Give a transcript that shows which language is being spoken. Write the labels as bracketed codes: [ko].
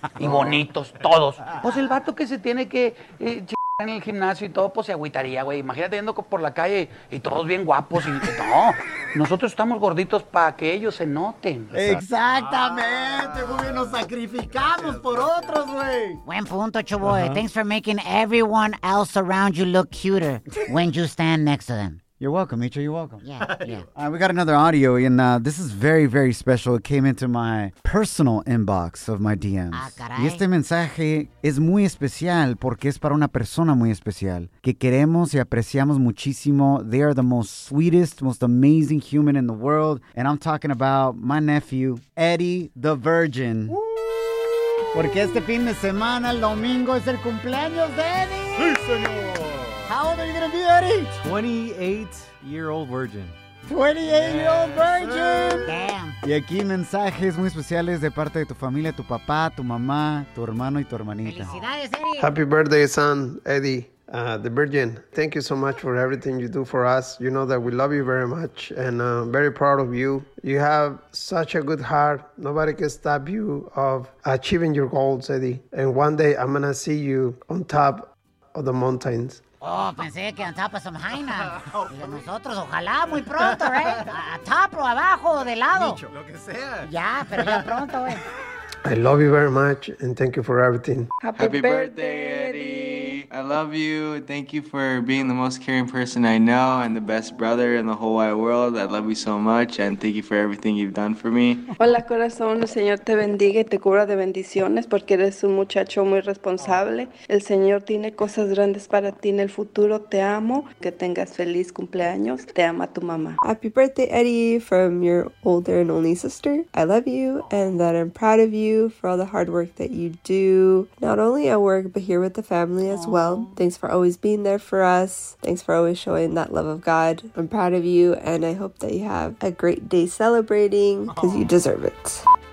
[es] Y bonitos, todos. Pues el vato que se tiene que en el gimnasio y todo, pues se agüitaría, güey. Imagínate yendo por la calle y todos bien guapos. Y no, nosotros estamos gorditos para que ellos se noten. Exactamente, ah, güey, nos sacrificamos por otros, güey. Buen punto, Chubo. Uh-huh. [en] Thanks for making everyone else around you look cuter when you stand next to them. You're welcome, Micho. You're welcome. Yeah. All right, we got another audio, and this is very, very special. It came into my personal inbox of my DMs. [es] Ah, caray. Y este mensaje es muy especial porque es para una persona muy especial que queremos y apreciamos muchísimo. [en] They are the most sweetest, most amazing human in the world. And I'm talking about my nephew, Eddie the Virgin. Woo! [es] Porque este fin de semana, el domingo, es el cumpleaños de Eddie. Sí, señor. [en] How old are you going to be, Eddie? 28-year-old virgin. 28-year-old virgin. Damn. [es] Y aquí mensajes muy especiales de parte de tu familia, tu papá, tu mamá, tu hermano y tu hermanita. Felicidades, Eddie. [en] Happy birthday, son, Eddie, the virgin. Thank you so much for everything you do for us. You know that we love you very much and very proud of you. You have such a good heart. Nobody can stop you of achieving your goals, Eddie. And one day I'm going to see you on top of the mountains. [es] Oh, pensé que [en] on top of some [es] haina. Nosotros, ojalá, muy pronto, ¿eh? A top o abajo, de lado. Nicho, lo que sea. Ya, pero ya pronto, ¿eh? [en] I love you very much, and thank you for everything. Happy birthday, Eddie. I love you. Thank you for being the most caring person I know and the best brother in the whole wide world. I love you so much, and thank you for everything you've done for me. [es] Hola, corazón. El Señor te bendiga y te cubra de bendiciones porque eres un muchacho muy responsable. El Señor tiene cosas grandes para ti en el futuro. Te amo. Que tengas feliz cumpleaños. Te ama tu mamá. [en] Happy birthday, Eddie, from your older and only sister. I love you and that I'm proud of you for all the hard work that you do. Not only at work, but here with the family as well. Thanks for always being there for us. Thanks for always showing that love of God. I'm proud of you, and I hope that you have a great day celebrating, because you deserve it.